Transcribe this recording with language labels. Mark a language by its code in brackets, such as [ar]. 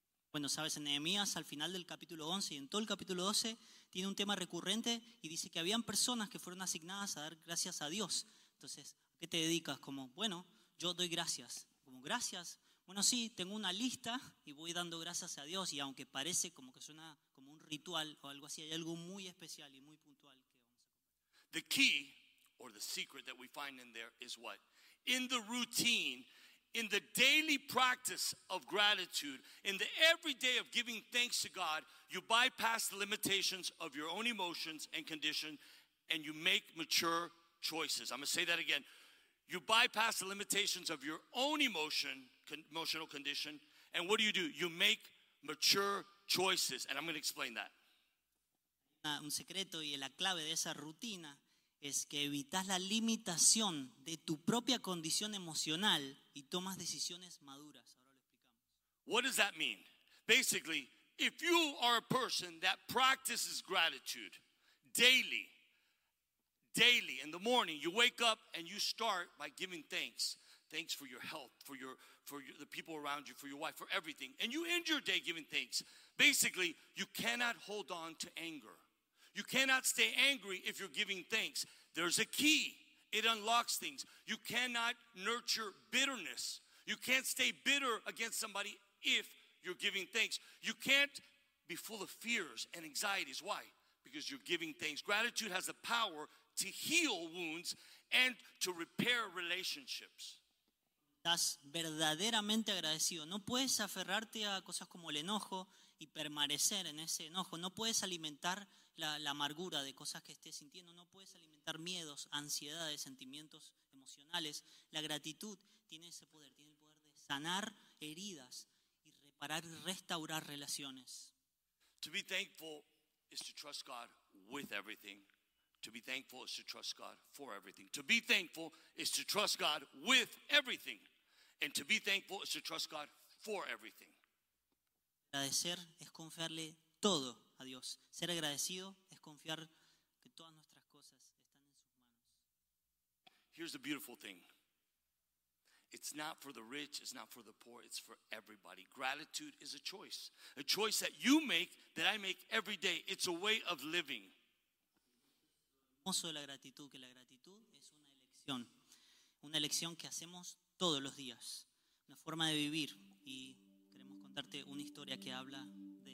[es] Bueno, sabes, en Nehemías, al final del capítulo 11 y en todo el capítulo 12, tiene un tema recurrente y dice que habían personas que fueron asignadas a dar gracias a Dios. Entonces, ¿a qué te dedicas? Como, bueno, yo doy gracias. Como, gracias. Bueno, sí, tengo una lista y voy dando gracias a Dios. Y aunque parece como que suena como un ritual o algo así, hay algo muy especial y muy puntual que vamos a contar. [en] The key, or the secret that we find in there, is what? In the routine, in the daily practice of gratitude, in the everyday of giving thanks to God, you bypass the limitations of your own emotions and condition, and you make mature choices. I'm going to say that again. You bypass the limitations of your own emotional condition, and what do? You make mature choices, and I'm going to explain that. [es] Un secreto y la clave de esa rutina es que evitas la limitación de tu propia condición emocional y tomas decisiones maduras. Ahora lo explicamos. [en] What does that mean? Basically, if you are a person that practices gratitude daily, in the morning, you wake up and you start by giving thanks. Thanks for your health, for the people around you, for your wife, for everything. And you end your day giving thanks. Basically, you cannot hold on to anger. You cannot stay angry if you're giving thanks. There's a key. It unlocks things. You cannot nurture bitterness. You can't stay bitter against somebody if you're giving thanks. You can't be full of fears and anxieties. Why? Because you're giving thanks. Gratitude has the power to heal wounds and to repair relationships. [es] Estás verdaderamente agradecido. No puedes aferrarte a cosas como el enojo y permanecer en ese enojo. No puedes alimentar la amargura de cosas que estés sintiendo. No puedes alimentar miedos, ansiedades, sentimientos emocionales. La gratitud tiene ese poder. Tiene el poder de sanar heridas y para restaurar relaciones. [en] To be thankful is to trust God with everything. To be thankful is to trust God for everything. To be thankful is to trust God with everything. And to be thankful is to trust God for everything. [es] Agradecer es confiarle todo a Dios. Ser agradecido es confiar que todas nuestras cosas están en sus manos. [en] Here's the beautiful thing. It's not for the rich, it's not for the poor, it's for everybody. Gratitude is a choice. A choice that you make, that I make every day. It's a way of living. [es] La gratitud, que la gratitud es una elección. Una elección que hacemos todos los días. Una forma de vivir. Y queremos contarte una historia que habla de la gratitud.